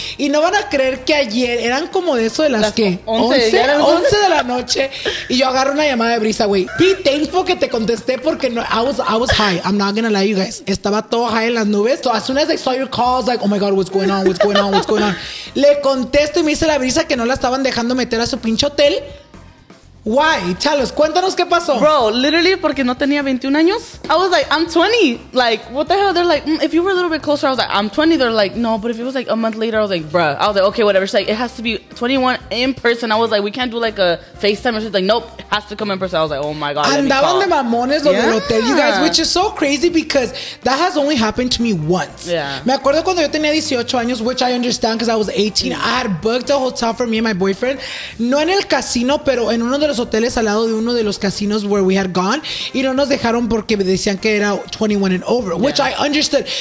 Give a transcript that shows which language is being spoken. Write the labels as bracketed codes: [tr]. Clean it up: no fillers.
[es] Y no van a creer que ayer eran como de eso de las que 11 de la noche. Y yo agarro una llamada de Brisa, güey. [en] Be thankful [es] que te contesté porque no, [en] I was high. I'm not gonna lie, you guys. [es] Estaba todo high en las nubes. [en] So as soon as I saw your calls, like, oh my God, what's going on? What's going on? What's going on? [es] Le contesto y me dice la Brisa que no la estaban dejando meter a su pinche hotel. [en] Why? Tell us. [es] Cuéntanos qué pasó. [en] Bro, literally [es] porque no tenía 21 años. [en] I was like, I'm 20. Like, what the hell? They're like, if you were a little bit closer, I was like, I'm 20. They're like, no, but if it was like a month later, I was like, bruh. I was like, okay, whatever. She's like, it has to be 21 in person. I was like, we can't do like a FaceTime. She's like, nope, it has to come in person. I was like, oh my God. [es] Andaban de mamones los del hotel, [en] you guys, which is so crazy because that has only happened to me once. Yeah. [es] Me acuerdo cuando yo tenía 18 años, [en] which I understand because I was 18. Mm. I had booked a hotel for me and my boyfriend. [es] No en el casino, pero en uno de los hoteles al lado de uno de los casinos [en] where we had gone, [es] y no nos dejaron porque decían que era 21 [en] and over, which I understood.